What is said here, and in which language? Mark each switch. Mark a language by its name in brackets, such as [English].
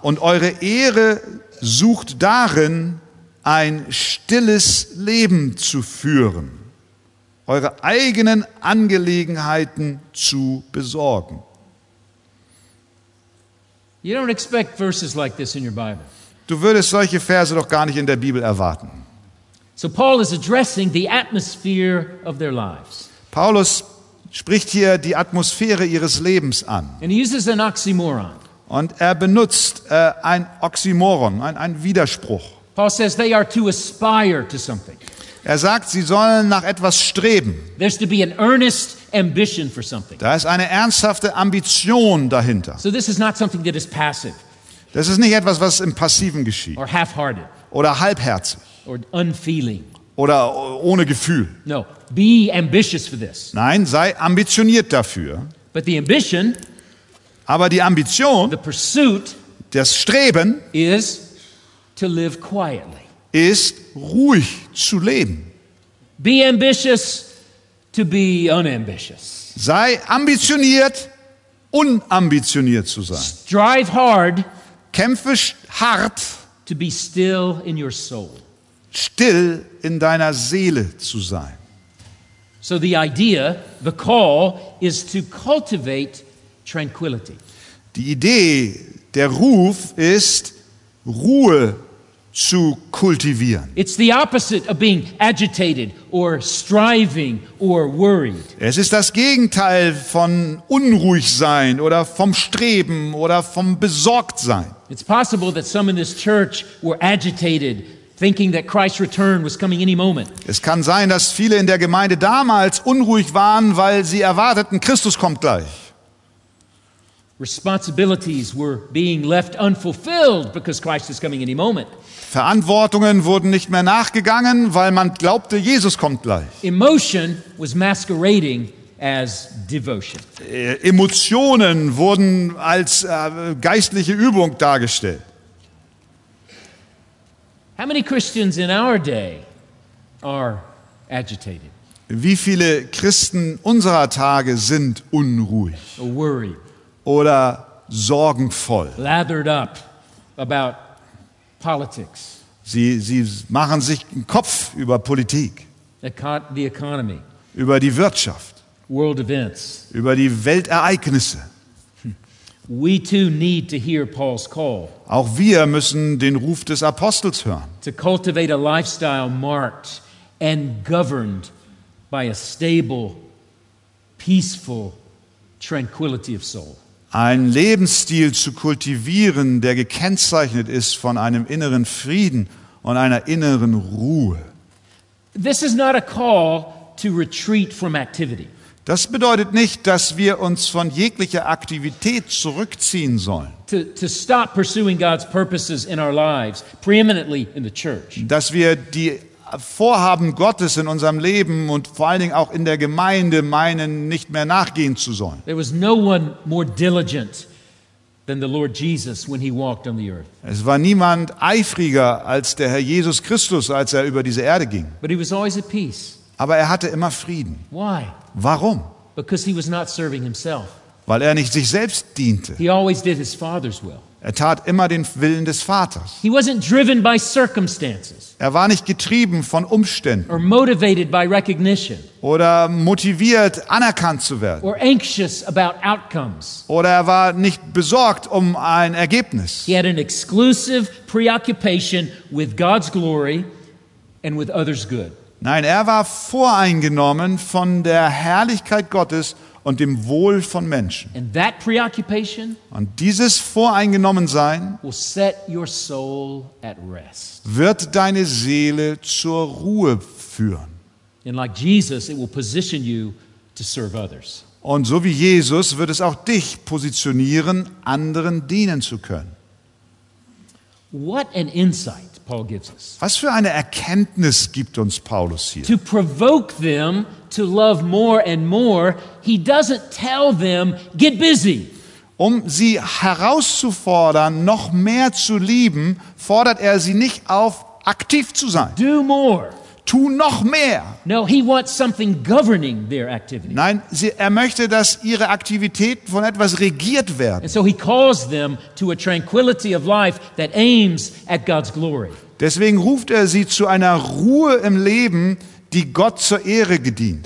[German] Und eure Ehre sucht darin, ein stilles Leben zu führen, eure eigenen Angelegenheiten zu besorgen. [English] You don't expect verses like this in your Bible. [German] Du würdest solche Verse doch gar nicht in der Bibel erwarten. [English] So Paul is addressing the atmosphere of their lives. [German] Paulus spricht hier die Atmosphäre ihres Lebens an. [English] And he uses an oxymoron. [German] Und er benutzt ein Oxymoron, ein Widerspruch. [English] Paul says they are to aspire to something. [German] Er sagt, sie sollen nach etwas streben. [English] There's to be an earnest ambition for something. [German] Da ist eine ernsthafte Ambition dahinter. [English] So this is not something that is passive. [German] Das ist nicht etwas, was im Passiven geschieht. [English] Or half-hearted. [German] Oder halbherzig. [English] Or unfeeling. [German] Oder ohne Gefühl. [English] No, be ambitious for this. [German] Nein, sei ambitioniert dafür. [English] But the ambition, [German] aber die Ambition, [English] the pursuit, [German] das Streben, [English] is to live quietly. [German] Ist ruhig zu leben. [English] Be ambitious to be unambitious. [German] Sei ambitioniert, unambitioniert zu sein. [English] Strive hard. [German] Kämpfe hart. [English] To be still in your soul. [German] Still in deiner Seele zu sein. [English] So the idea, the call, is to cultivate tranquility. [German] Die Idee, der Ruf ist Ruhe zu kultivieren. [English] It's the opposite of being agitated or striving or worried. [German] Es ist das Gegenteil von unruhig sein oder vom Streben oder vom Besorgtsein. [English] It's possible that some in this church were agitated, thinking that Christ's return was coming any moment. [German] Es kann sein, dass viele in der Gemeinde damals unruhig waren, weil sie erwarteten, Christus kommt gleich. [English] Responsibilities were being left unfulfilled because Christ is coming any moment. [German] Verantwortungen wurden nicht mehr nachgegangen, weil man glaubte, Jesus kommt gleich. [English] Emotion was masquerading as devotion. [German] Emotionen wurden als geistliche Übung dargestellt. [English] How many Christians in our day are agitated? [German] Wie viele Christen unserer Tage sind unruhig? [English] Or worried. [German] Oder sorgenvoll. [English] Lathered up about politics. [German] Sie machen sich einen Kopf über Politik. [English] The economy. [German] Über die Wirtschaft. [English] World events. [German] Über die Weltereignisse. [English] We too need to hear Paul's call. [German] Auch wir müssen den Ruf des Apostels hören. [English] To cultivate a lifestyle marked and governed by a stable, peaceful tranquility of soul. [German] Ein Lebensstil zu kultivieren, der gekennzeichnet ist von einem inneren Frieden und einer inneren Ruhe. [English] This is not a call to retreat from activity. [German] Das bedeutet nicht, dass wir uns von jeglicher Aktivität zurückziehen sollen. [English] To stop pursuing God's purposes in our lives, preeminently in the church. [German] Dass wir die Vorhaben Gottes in unserem Leben und vor allen Dingen auch in der Gemeinde meinen, nicht mehr nachgehen zu sollen. [English] There was no one more diligent than the Lord Jesus when he walked on the earth. [German] Es war niemand eifriger als der Herr Jesus Christus, als er über diese Erde ging. [English] But he was always at peace. [German] Aber er hatte immer Frieden. [English] Why? [German] Warum? [English] Because he was not serving himself. [German] Weil er nicht sich selbst diente. [English] He always did his Father's will. [German] Er tat immer den Willen des Vaters. [English] He wasn't driven by circumstances. [German] Er war nicht getrieben von Umständen. [English] Or motivated by recognition. [German] Oder motiviert, anerkannt zu werden. [English] Or anxious about outcomes. [German] Oder er war nicht besorgt um ein Ergebnis. [English] He had an exclusive preoccupation with God's glory and with others good. [German] Nein, er war voreingenommen von der Herrlichkeit Gottes und dem Wohl von Menschen. [English] And that preoccupation, [German] und dieses Voreingenommensein, [English] will set your soul at rest. [German] Wird deine Seele zur Ruhe führen. [English] And like Jesus, it will position you to serve others. [German] Und so wie Jesus wird es auch dich positionieren, anderen dienen zu können. [English] What an insight Paul gives us. [German] Was für eine Erkenntnis gibt uns Paulus hier? [English] To provoke them to love more and more, he doesn't tell them, get busy. [German] Um sie herauszufordern, noch mehr zu lieben, fordert er sie nicht auf, aktiv zu sein. [English] Do more. [German] Tu noch mehr. [English] No, he wants something governing their activity. [German] Nein, er möchte, dass ihre Aktivitäten von etwas regiert werden. [English] And so he calls them to a tranquility of life that aims at God's glory. [German] Deswegen ruft er sie zu einer Ruhe im Leben, die Gott zur Ehre gedient.